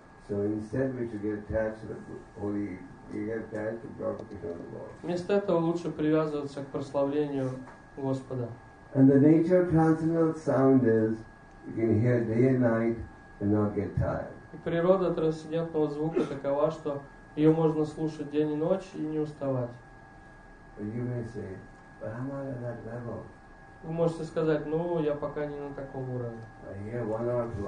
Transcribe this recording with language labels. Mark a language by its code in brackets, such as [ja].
[en] So instead we should get attached to the holy, we get attached to God because of the Lord. [ru] Вместо этого лучше привязываться к прославлению Господа. [en] And the nature of transcendental sound is you can hear day and night and not get tired. [ru] И природа трансцендентного звука такова, что ее можно слушать день и ночь и не уставать. [en] You may say, but I'm not at that level. Вы можете сказать, ну, я пока не на таком уровне.